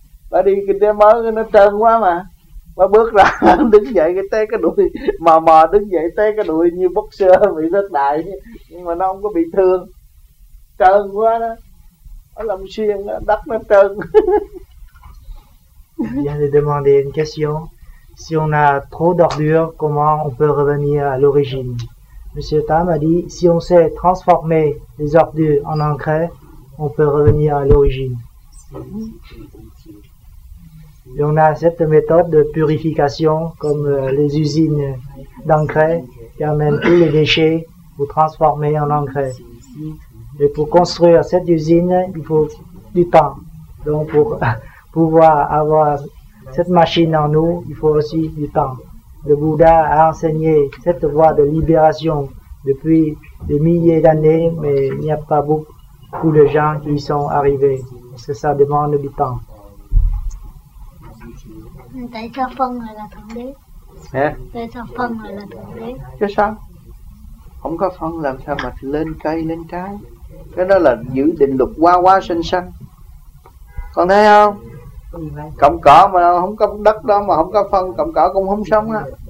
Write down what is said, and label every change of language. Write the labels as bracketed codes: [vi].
[vi] Bà đi kinh tế mới nó trơn quá mà. Bà bước ra đứng dậy cái té cái đùi. Mò mò đứng dậy té cái đùi như boxer bị rớt đại. Nhưng mà nó không có bị thương. Trơn quá đó. Nó làm xuyên đó, đất nó trơn. [fr] Viens de demander une question. Si on a trop d'ordures, comment on peut revenir à l'origine? Monsieur Tam a dit, si on sait transformer les ordures en engrais, on peut revenir à l'origine. Et on a cette méthode de purification, comme les usines d'engrais qui amènent tous les déchets pour transformer en engrais. Et pour construire cette usine, il faut du temps. Donc pour pouvoir avoir cette machine en nous, il faut aussi du temps. Le Bouddha a enseigné cette voie de libération depuis des milliers d'années, mais il n'y a pas beaucoup de gens qui y sont arrivés. Parce que ça demande du temps. [vi] Tại sao phân lại là Thượng Đế? Hả? Tại sao phân lại là Thượng Đế? Chứ sao? Không có phân làm sao mà lên cây, lên trái. Cái đó là giữ định luật hoa hoa sinh sanh. Con thấy không? Cộng cỏ mà không có đất đó mà không có phân, cộng cỏ cũng không sống á.